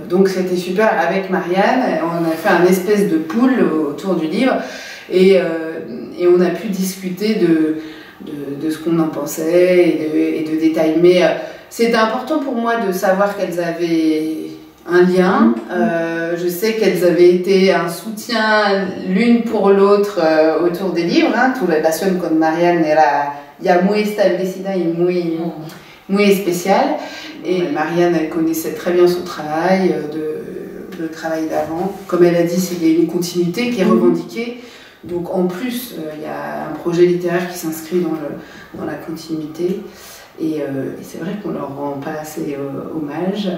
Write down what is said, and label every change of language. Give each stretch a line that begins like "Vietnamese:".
French: Donc c'était super avec Marianne, on a fait un espèce de pool autour du livre et on a pu discuter de ce qu'on en pensait et de détails. Mais c'était important pour moi de savoir qu'elles avaient un lien. Je sais qu'elles avaient été un soutien l'une pour l'autre autour des livres. Hein. Tout la passion
Spanish: con Marianne era ya muy establecida y muy, muy especial.
French: Et ouais. Marianne, elle connaissait très bien son travail, le travail d'avant. Comme elle a dit, il y a une continuité qui est revendiquée. Donc en plus, il y a un projet littéraire qui s'inscrit dans la continuité. Et c'est vrai qu'on leur rend pas assez hommage.